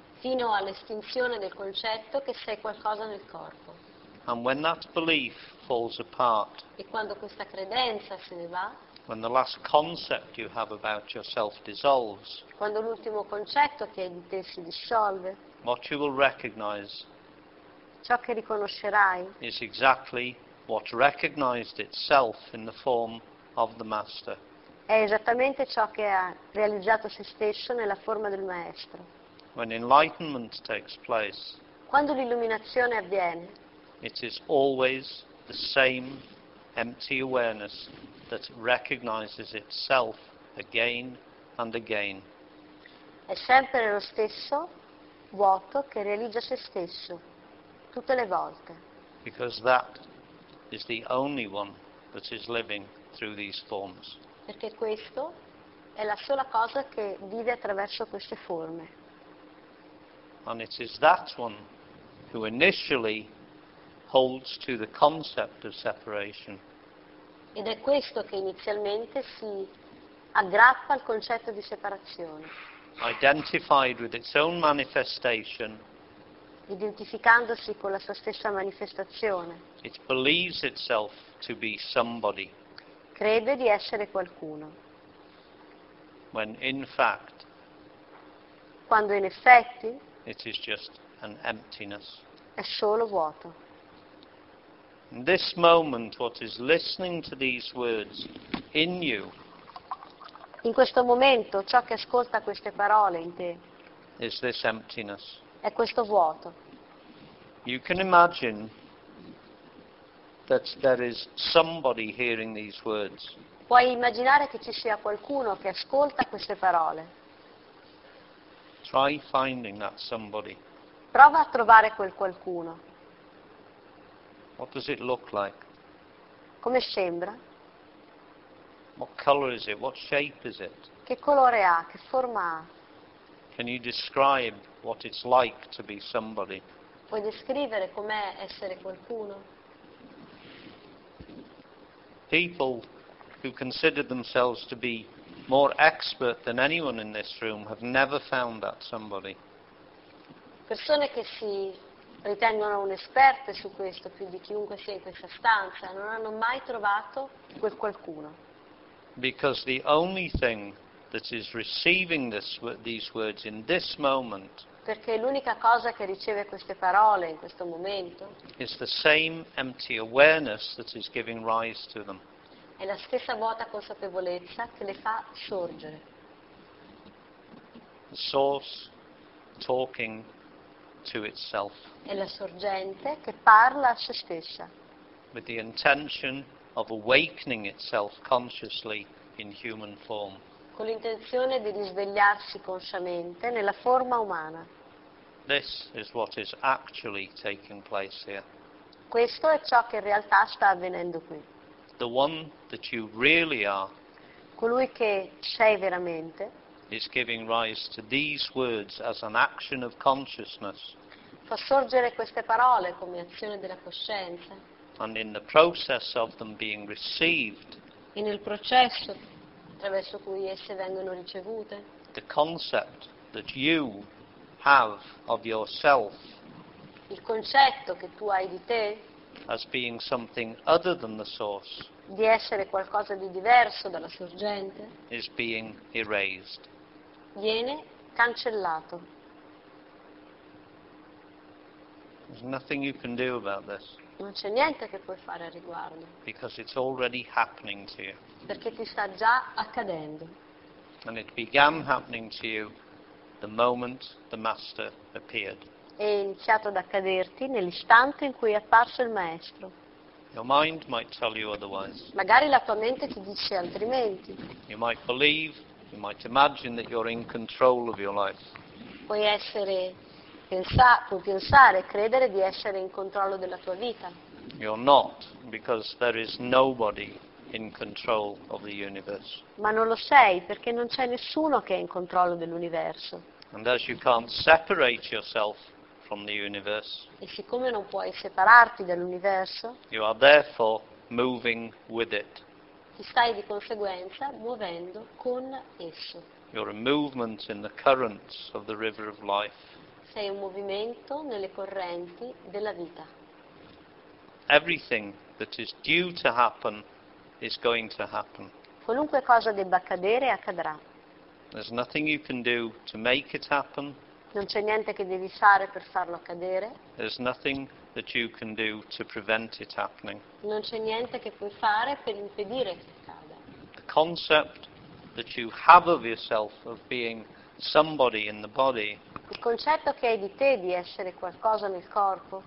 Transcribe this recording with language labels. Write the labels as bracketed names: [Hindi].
[Italian] Fino all'estinzione del concetto che sei qualcosa nel corpo. [English] And when that belief falls apart. [Italian] E quando questa credenza se ne va. [English] When the last concept you have about yourself dissolves. [Italian] Quando l'ultimo concetto che hai di te si dissolve. [English] What you will recognize. [Italian] Ciò che riconoscerai. [English] Is exactly what recognized itself in the form of the master. [Italian] È esattamente ciò che ha realizzato se stesso nella forma del maestro. [English] When enlightenment takes place. [Italian] Quando l'illuminazione avviene. [English] It is always the same empty awareness that recognizes itself again and again. [Italian] È sempre lo stesso vuoto che realizza se stesso tutte le volte. [English] Because that is the only one that is living through these forms. [Italian] Perché questo è la sola cosa che vive attraverso queste forme. [English] And it is that one who initially holds to the concept of separation. [Italian] Ed è questo che inizialmente si aggrappa al concetto di separazione. [English] Identified with its own manifestation. [Italian] Identificandosi con la sua stessa manifestazione. [English] It believes itself to be somebody. [Italian] Crede di essere qualcuno. [English] When in fact. [Italian] Quando in effetti. [English] It is just an emptiness. [Italian] È solo vuoto. [English] In this moment, what is listening to these words in you? [Italian] In questo momento, ciò che ascolta queste parole in te. [English] Is this emptiness? [Italian] È questo vuoto. [English] You can imagine that there is somebody hearing these words. [Italian] Puoi immaginare che ci sia qualcuno che ascolta queste parole. [English] Try finding that somebody. [Italian] Prova a trovare quel qualcuno. [English] What does it look like? [Italian] Come sembra? [English] What color is it? What shape is it? [Italian] Che colore ha? Che forma ha? [English] Can you describe what it's like to be somebody. [Italian] Puoi descrivere com'è essere qualcuno? [English] People who consider themselves to be more expert than anyone in this room have never found that somebody. [Italian] Persone che si ritengono un esperte su questo, più di chiunque sia in questa stanza, non hanno mai trovato quel qualcuno. [English] Because the only thing that is receiving these words in this moment, [Italian] perché l'unica cosa che riceve queste parole in questo momento, [English] is the same empty awareness that is giving rise to them. [Italian] È la stessa vuota consapevolezza che le fa sorgere. [English] The source talking to itself. [Italian] È la sorgente che parla a se stessa. [English] With the intention of awakening itself consciously in human form. [Italian] Con l'intenzione di risvegliarsi consciamente nella forma umana. [English] This is what is actually taking place here. [Italian] Questo è ciò che in realtà sta avvenendo qui. [English] The one that you really are. [Italian] Colui che sei veramente. [English] Is giving rise to these words as an action of consciousness. [Italian] Fa sorgere queste parole come azione della coscienza. [English] And in the process of them being received. [Italian] E nel processo attraverso cui esse vengono ricevute. [English] The concept that you have of yourself. [Italian] Il concetto che tu hai di te. [English] As being something other than the source. [Italian] Di essere qualcosa di diverso dalla sorgente. [English] Is being erased. [Italian] Viene cancellato. [English] There's nothing you can do about this. [Italian] Non c'è niente che puoi fare a riguardo. [English] Because it's already happening to you. [Italian] Perché ti sta già accadendo. [English] And it began happening to you the moment the master appeared. [Italian] È iniziato ad accaderti nell'istante in cui è apparso il maestro. [English] Your mind might tell you otherwise. [Italian] Magari la tua mente ti dice altrimenti. [English] You might believe, you might imagine that you're in control of your life. [Italian] Puoi essere pensare, credere di essere in controllo della tua vita. [English] You're not, because there is nobody in control of the universe. [Italian] Ma non lo sei, perché non c'è nessuno che è in controllo dell'universo. [English] And as you can't separate yourself from the universe, [Italian] e siccome non puoi separarti dall'universo, [English] you are therefore moving with it. [Italian] Ti stai di conseguenza muovendo con esso. [English] You're a movement in the currents of the river of life. [Italian] Sei un movimento nelle correnti della vita. [English] Everything that is due to happen is going to happen. [Italian] Qualunque cosa debba accadere accadrà. [English] There's nothing you can do to make it happen. [Italian] Non c'è niente che devi fare per farlo accadere. [English] There's nothing that you can do to prevent it happening. [Italian] Non c'è niente che puoi fare per impedire che accada. [English] The concept that you have of yourself of being somebody in the body. [Italian] Il concetto che hai di te di essere qualcosa nel corpo.